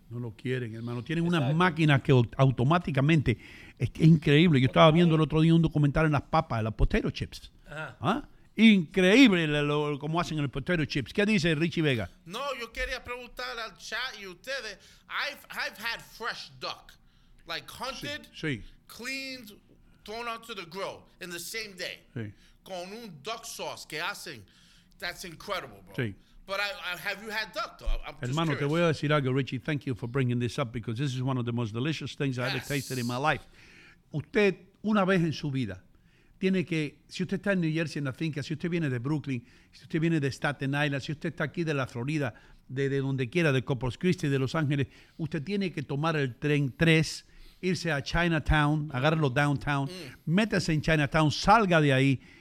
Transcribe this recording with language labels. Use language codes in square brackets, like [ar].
[es] No lo quieren, hermano. Tienen unas máquinas que automáticamente... Es increíble. Yo estaba viendo el otro día un documental en las papas, en las potato chips. Ajá. ¿Ah? Increíble cómo hacen el potato chips. ¿Qué dice Richie Vega? No, yo quería preguntar al chat y ustedes. [en] I've had fresh duck. Like hunted, [es] sí. [en] Cleaned, thrown onto the grill in the same day. [es] Sí. Con un duck sauce que hacen... [en] That's incredible, bro. [es] Sí. [en] But I have you had duck, though? I'm [es] hermano, [en] curious. [es] Te voy a decir algo, Richie. [en] Thank you for bringing this up because this is one of the most delicious things I ever tasted in my life. [es] Usted, una vez en su vida, tiene que, si usted está en New Jersey, en la finca, si usted viene de Brooklyn, si usted viene de Staten Island, si usted está aquí de la Florida, de donde quiera, de Corpus Christi, de Los Ángeles, usted tiene que tomar el tren 3, irse a Chinatown, agarrarlo downtown, métase en Chinatown, salga de ahí,